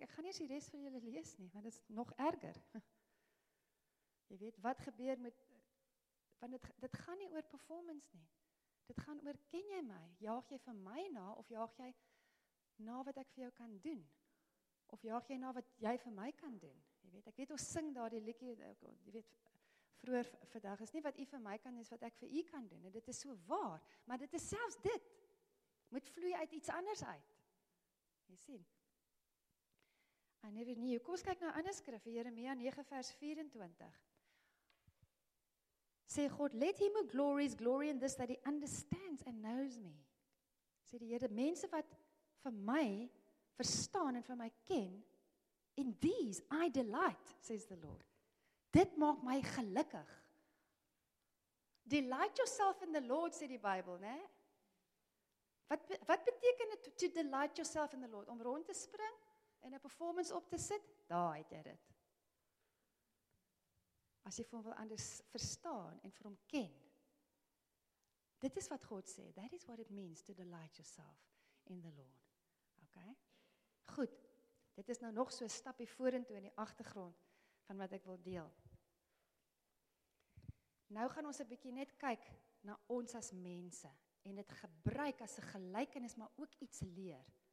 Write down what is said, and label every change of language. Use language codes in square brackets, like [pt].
[af] Ek gaan nie die res vir julle lees nie, want dit is nog erger. Jy weet wat gebeur met want dit gaan nie oor performance nie. Dit gaan oor ken jy my? Jaag jy vir my na of jaag jy na wat ek vir jou kan doen? Of jaag jy na wat jy vir my kan doen? Jy weet, ek weet ons sing daardie liedjie, jy weet vroeër vandag is nie wat u vir my kan doen, is wat ek vir u kan doen. Dit is so waar, maar dit is selfs dit moet vloei uit iets anders uit. Jy sien? En nie weer nie, kom ons kyk na 'n ander skrif, Jeremia 9 vers 24. Sê [en] God, let him who glories glory in this that he understands and knows me. [af] Sê die Here, mense wat vir my verstaan en vir my ken, [en] in these I delight, says the Lord. [af] Dit maak my gelukkig. [en] Delight yourself in the Lord, [af] sê die Bybel, né? Wat beteken dit [en] to delight yourself in the Lord? [af] Om rond te spring en 'n performance op te sit? Daar het jy dit. As jy vir hom wil anders verstaan en vir hom ken. Dit is wat God sê. [en] That is what it means to delight yourself in the Lord. [af] Okay? Goed. Dit is nou nog so 'n stapie vorentoe in die agtergrond van wat ek wil deel. Nou gaan ons 'n bietjie net kyk na ons as mense en dit gebruik as 'n gelykenis maar ook iets leer.